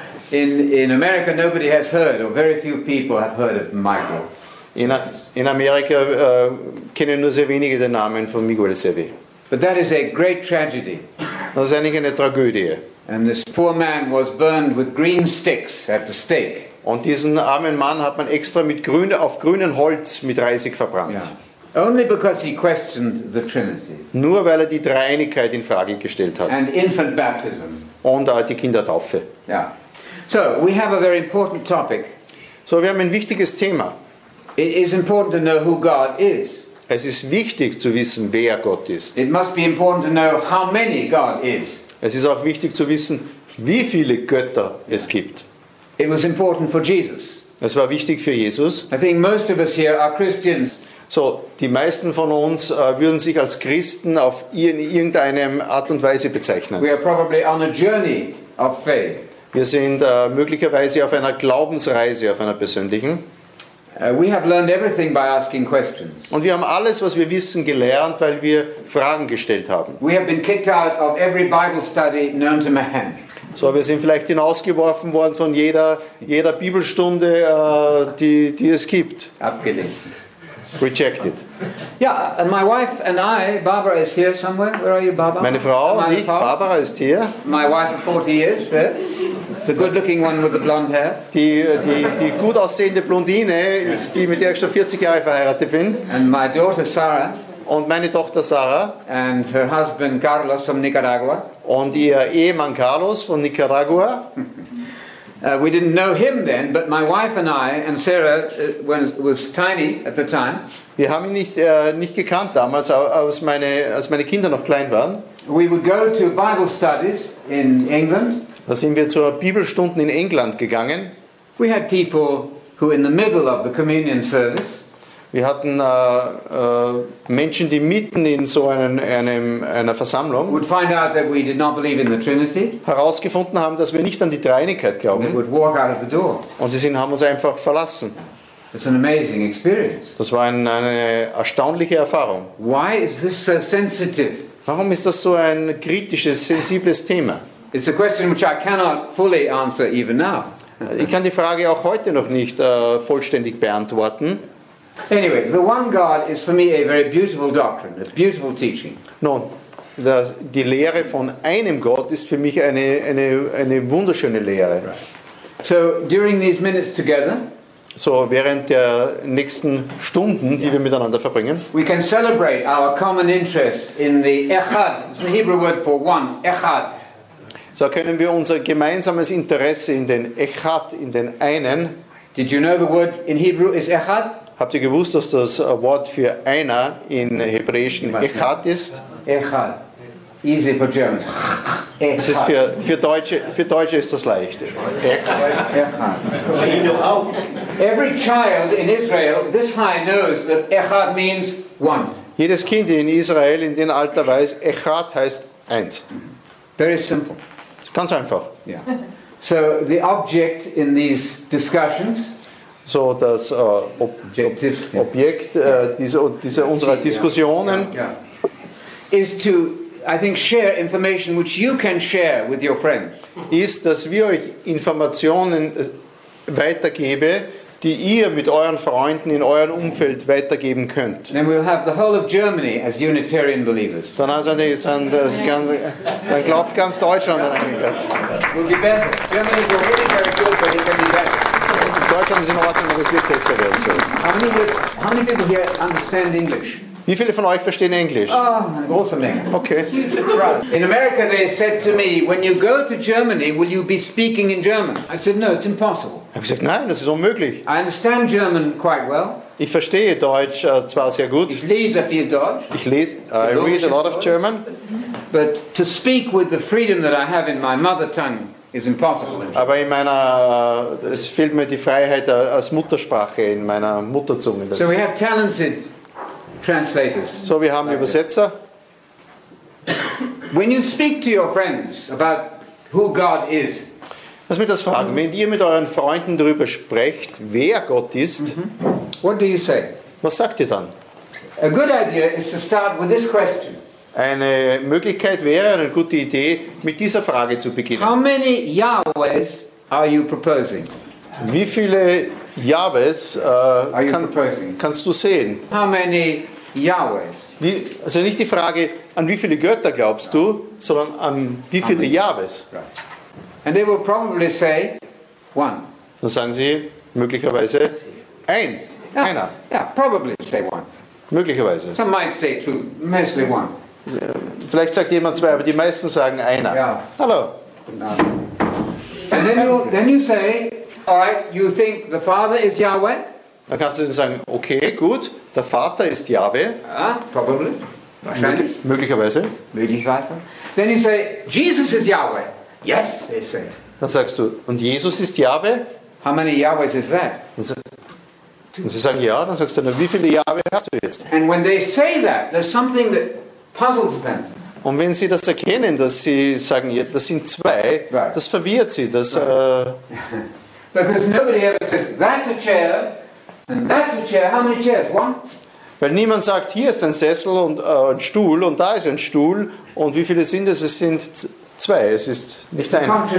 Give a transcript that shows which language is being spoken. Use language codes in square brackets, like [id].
[en] In America, nobody has heard, or very few people have heard of Michael. [de] In Amerika kennen nur sehr wenige den Namen von Miguel Servet. [en] But that is a great tragedy. [de] Das ist eigentlich eine Tragödie. [en] And this poor man was burned with green sticks at the stake. [de] Und diesen armen Mann hat man extra auf grünen Holz mit Reisig verbrannt. [en] Yeah. Only because he questioned the Trinity. [de] Nur weil die Dreieinigkeit in Frage gestellt hat. [en] And infant baptism. [de] Und die Kindertaufe. [en] Yeah. So we have a very important topic. [de] So wir haben ein wichtiges Thema. [en] It is important to know who God is. [de] Es ist wichtig zu wissen, wer Gott ist. [en] It must be important to know how many God is. [de] Es ist auch wichtig zu wissen, wie viele Götter es gibt. [en] It was important for Jesus. [de] Es war wichtig für Jesus. [en] I think most of us here are Christians. [de] So, die meisten von uns würden sich als Christen auf irgendeine Art und Weise bezeichnen. [en] We are probably on a journey of faith. [de] Wir sind möglicherweise auf einer Glaubensreise, auf einer persönlichen. [en] We have learned everything by asking questions. [de] Und wir haben alles, was wir wissen, gelernt, weil wir Fragen gestellt haben. [en] We have been kicked out of every Bible study known to man. [de] So, wir sind vielleicht hinausgeworfen worden von jeder Bibelstunde, die es gibt. Abgelehnt. [en] Rejected. Yeah, and my wife and I, Barbara is here somewhere. Where are you, Barbara? [de] Meine Frau und ich, Barbara ist hier. [en] My wife of 40 years, there. The good-looking one with the blonde hair. [de] Die gut aussehende Blondine ist die, mit der ich schon 40 Jahre verheiratet bin. [en] And my daughter Sarah. [de] Und meine Tochter Sarah. [en] And her husband Carlos from Nicaragua. [de] Und ihr Ehemann Carlos von Nicaragua. [en] We didn't know him then, but my wife and I and Sarah was tiny at the time. [de] Wir haben ihn nicht gekannt damals, als meine Kinder noch klein waren. [en] We would go to Bible studies in England. [de] Da sind wir zu Bibelstunden in England gegangen. [en] We had people who in the middle of the communion service. [de] Wir hatten Menschen, die mitten in so einer Versammlung [en] would find out that we did not believe in the Trinity, [de] herausgefunden haben, dass wir nicht an die Dreieinigkeit glauben. [en] They would walk out of the door. [de] Und sie haben uns einfach verlassen. [en] It's an amazing experience. [de] Das war eine erstaunliche Erfahrung. [en] Why is this so sensitive? [de] Warum ist das so ein kritisches, sensibles Thema? [en] It's a question which I cannot fully answer even now. [de] Ich kann die Frage auch heute noch nicht vollständig beantworten. [en] Anyway, the one God is for me a very beautiful doctrine, a beautiful teaching. [de] Nun, die Lehre von einem Gott ist für mich eine wunderschöne Lehre. [en] Right. So, during these minutes together, [de] so während der nächsten Stunden, die wir miteinander verbringen, [en] we can celebrate our common interest in the Echad. It's the Hebrew word for one, Echad. [de] So können wir unser gemeinsames Interesse in den Echad, in den Einen. [en] Did you know the word in Hebrew is Echad? [de] Habt ihr gewusst, dass das Wort für Einer in Hebräischen Echad ist? [en] Echad. Easy for Germans. [de] Das ist für Deutsche ist das leicht. [he] Echad. [en] Every child in Israel this high knows that Echad means one. [de] Jedes Kind in Israel in dem Alter weiß, Echad heißt eins. [en] Very simple. [de] Ganz einfach. [en] Yeah. So the object in these discussions. [de] So das Objekt dieser unserer Diskussionen. [en] Is to, I think, share information which you can share with your friends. [de] Ist, dass wir euch Informationen weitergebe, die ihr mit euren Freunden in eurem Umfeld weitergeben könnt. [en] Then we'll have the whole of Germany as Unitarian believers. [de] Dann also dann glaubt ganz Deutschland an einen Gott. [en] We'll be better. Germany will really be very good, but it can be better. [de] Deutschland ist in Ordnung, aber es wird besser werden. [en] So. How many people here understand English? [de] Wie viele von euch verstehen Englisch? Oh, große Menge. [en] Okay. In America they said to me, when you go to Germany, will you be speaking in German? I said, no, it's impossible. [de] Ich habe gesagt, nein, das ist unmöglich. [en] I understand German quite well. [de] Ich verstehe Deutsch zwar sehr gut. Ich lese viel Deutsch. [en] I read a lot of German. But to speak with the freedom that I have in my mother tongue is impossible. [de] Aber in meiner es fehlt mir die Freiheit als Muttersprache in meiner Mutterzunge. [en] So we have talented translators. [de] So wir haben like Übersetzer. [en] When you speak to your friends about who God is. [de] Lass mich das fragen. Wenn ihr mit euren Freunden darüber sprecht, wer Gott ist, [en] what do you say? [de] Was sagt ihr dann? [en] A good idea is to start with this question. [de] Eine Möglichkeit wäre, eine gute Idee, mit dieser Frage zu beginnen. [en] How many Yahwehs are you proposing? [de] Wie viele Yahwehs kannst du sehen? [en] How many Yahwehs? [de] Also nicht die Frage, an wie viele Götter glaubst du, sondern an wie viele Yahwehs? [en] Right. And they will probably say one. [de] Dann sagen sie möglicherweise ein. [en] Yeah, [de] einer. [en] Yeah, probably say one. [de] Möglicherweise. [en] Some might say two, mostly one. [de] Vielleicht sagt jemand zwei, aber die meisten sagen einer. [en] Yeah. [de] Hallo. [en] No. And then you say, all right, you think the Father is Yahweh? [de] Dann kannst du sagen, okay, gut, der Vater ist Yahweh. [en] Ah, probably. [de] Wahrscheinlich. Möglicherweise. Möglicherweise. [en] Then you say, Jesus is Yahweh. Yes, they say. [de] Dann sagst du, und Jesus ist Yahweh? [en] How many Yahwehs is that? [de] Und sie sagen ja, dann sagst du, na, wie viele Yahweh hast du jetzt? [en] And when they say that, there's something that puzzles them. [de] Und wenn sie das erkennen, dass sie sagen, ja, das sind zwei, [en] right, [de] das verwirrt sie. Das, [en] because nobody ever says, that's a chair, and that's a chair. How many chairs? One? [de] Weil niemand sagt, hier ist ein Sessel und ein Stuhl, und da ist ein Stuhl, und wie viele sind es? Es sind zwei, es ist nicht ein.